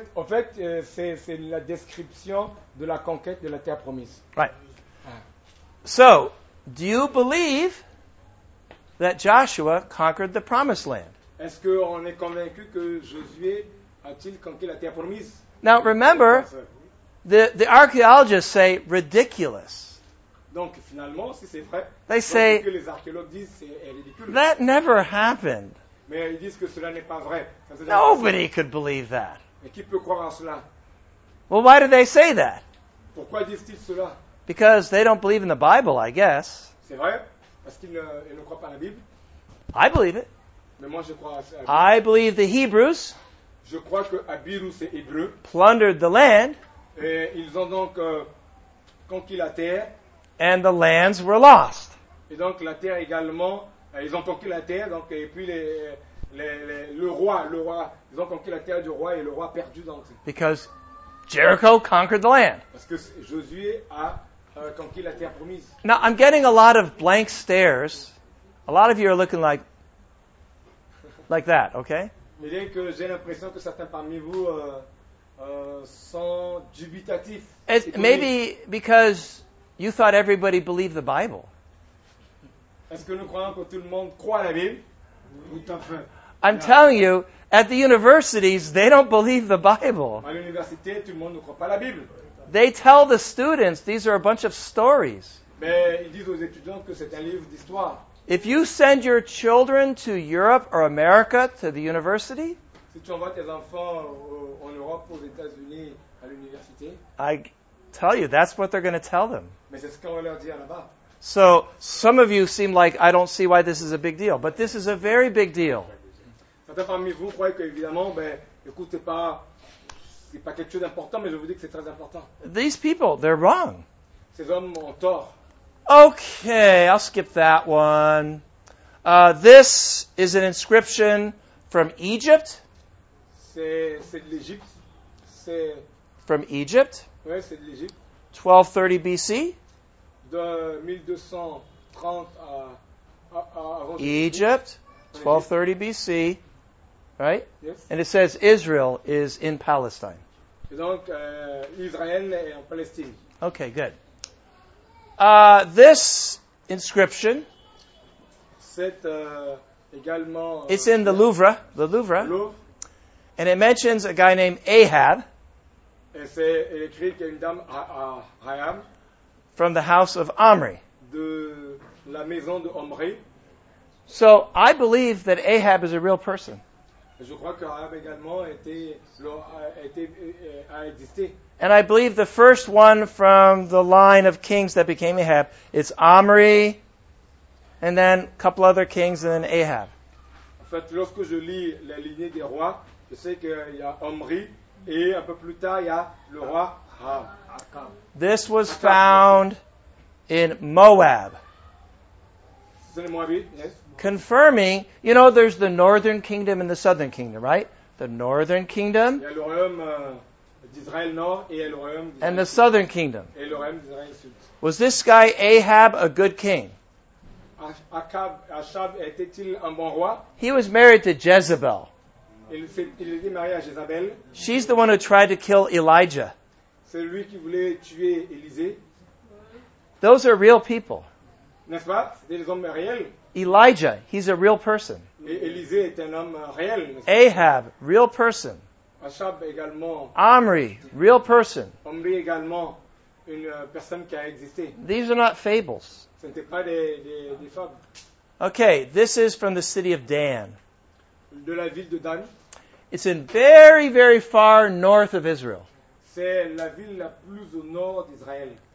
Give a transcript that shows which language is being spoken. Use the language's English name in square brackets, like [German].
[French] En fait, c'est la description de la conquête de la terre promise. [English] Right. So, do you believe that Joshua conquered the promised land? [French] Est-ce qu'on est convaincu que Josué a-t-il conquis la terre promise? [English] Now, remember, the archaeologists say ridiculous. [French] Donc, finalement, si c'est vrai, [English] they [French] donc, [English] say, [French] ce que les archéologues disent, c'est ridicule. [English] That never happened. [French] Mais ils disent que cela n'est pas vrai. [English] Nobody could believe that. [French] Mais qui peut croire en cela? [English] Well, why do they say that? [French] Pourquoi disent-ils cela? [English] Because they don't believe in the Bible, I guess. [French] C'est vrai? Parce qu'ils ne croient pas à la Bible? [English] I believe it. [French] Mais moi, je crois à la Bible. [English] I believe the Hebrews [French] je crois que Habiru, c'est Hébreu, [English] plundered the land. [French] Et ils ont donc conquis la terre. [English] And the lands were lost. [French] Et donc la terre également, ils ont conquis la terre, donc et puis le roi, ils ont conquis la terre du roi et le roi perdu dans le temps. [English] Because Jericho conquered the land. [French] Parce que Josué a conquis la terre promise. [English] Now I'm getting a lot of blank stares. A lot of you are looking like that, okay? [French] Mais bien que j'ai l'impression que certains parmi vous sont dubitatifs. [English] Maybe because you thought everybody believed the Bible. [French] Est-ce que nous croyons que tout le monde croit la Bible? Tout à fait. [English] I'm telling you, at the universities, they don't believe the Bible. [French] À l'université, tout le monde ne croit pas la Bible. [English] They tell the students these are a bunch of stories. [French] Mais ils disent aux étudiants que c'est un livre d'histoire. [English] If you send your children to Europe or America to the university, [French] si tu envoies tes enfants en Europe ou aux États-Unis à l'université, [English] I tell you, that's what they're going to tell them. [French] Mais c'est ce qu'on va leur dire là-bas. [English] So some of you seem like I don't see why this is a big deal, but this is a very big deal. [French] Certains parmi vous croient que évidemment, ben, écoutez pas, c'est pas quelque chose d'important, mais je vous dis que c'est très important. [English] These people, they're wrong. [French] Ces hommes ont tort. [English] Okay, I'll skip that one. This is an inscription from Egypt. [French] C'est de l'Égypte. C'est [English] from Egypt. [French] Ouais, c'est de l'Égypte. [English] 1230 BC. [French] De 1230 avant [English] Egypt. 1230 BC. Right? Yes. And it says Israel is in Palestine. [French] Et donc, Israël est en Palestine. [English] Okay, good. This inscription, it's in the Louvre, and it mentions a guy named Ahab, [French] et c'est écrit qu'il y a une dame, Ahab [English] from the house of Omri. [French] De la maison de Omri. [English] So I believe that Ahab is a real person. [French] Je crois que Ahab également a existé. [English] And I believe the first one from the line of kings that became Ahab, it's Omri, and then a couple other kings, and then Ahab. [French] En fait, lorsque je lis la lignée des rois, je sais qu'il y a Omri, et un peu plus tard, il y a le roi Ahab. [English] This was found in Moab. [French] C'est le Moab, yes. [English] Confirming, you know, there's the northern kingdom and the southern kingdom, right? The northern kingdom. [French] Il y a le royaume, d'Israël Nord et le royaume d'Israël [English] and the southern kingdom. [French] Et le royaume d'Israël Sud. [English] Was this guy Ahab a good king? [French] Ahab était-il un bon roi? [English] He was married to Jezebel. [French] Il était marié à Jézabel. [English] She's the one who tried to kill Elijah. [French] C'est lui qui voulait tuer Élisée. [English] Those are real people. [French] N'est-ce pas? C'est des hommes réels. [English] Elijah, he's a real person. [French] Élisée est un homme réel. [English] Ahab, real person. [French] Ahab également. [English] Omri, real person. [French] Omri également, une personne qui a existé. [English] These are not fables. [French] Ce n'était pas des fables. [English] Okay, this is from the city of Dan. [French] De la ville de Dan. [English] It's in very, very far north of Israel. [French] C'est la ville la plus au nord d'Israël.